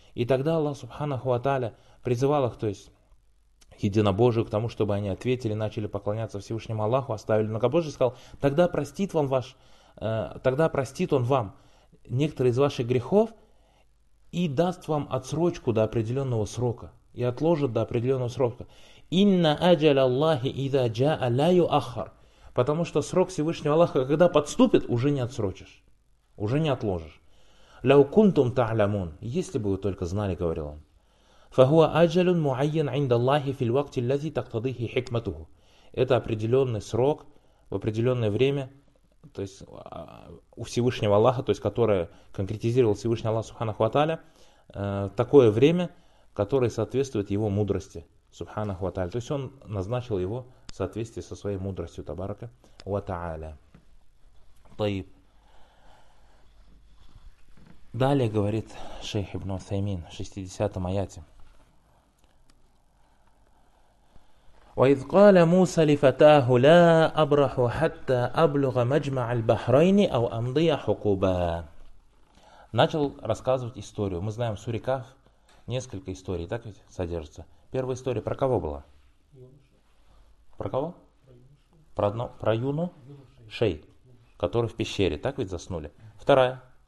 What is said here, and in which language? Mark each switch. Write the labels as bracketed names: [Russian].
[Russian] И тогда Аллах Субханаху ва Тааля призывал их, то есть единобожию, к тому, чтобы они ответили, начали поклоняться Всевышнему Аллаху, оставили многобожие, сказал, тогда простит вам ваш, тогда простит он вам некоторые из ваших грехов и даст вам отсрочку до определенного срока, и отложит до определенного срока. [Arabic] Инна аджаля Аллахи иза джаа ля юахар. [Russian] Потому что срок Всевышнего Аллаха, когда подступит, уже не отсрочишь, уже не отложишь. [Arabic] Ляу кунтум та'лямун. [Russian] Если бы вы только знали, говорил он. [Arabic] فهو أجل معين عند الله في الوقت الذي تقتضيه حكمته. [Russian] Это определенный срок в определенное время, то есть у Всевышнего Аллаха, то есть которое конкретизировал Всевышний Аллах Субханаху ва Тааля, такое время, которое соответствует его мудрости Субханаху ва Тааля. То есть он назначил его в соответствии со своей мудростью Табарака ва Тааля. Таиб. Далее говорит шейх Ибн Усаймин в 60-м аяте. [Arabic] وَإِذْ قَالَ مُوسَى لِفَتَاهُ لَا أَبْرَحُ حَتَّى أَبْلُغَ مَجْمَعَ الْبَحْرَيْنِ أَوْ أَمْضِيَ حُقُوبًا. [Russian] Начал рассказывать историю. Мы знаем в суре Каф несколько историй, так ведь, содержится. Первая история про кого была? Про кого? Про юну Шей, который в пещере, так ведь, заснули. Вторая.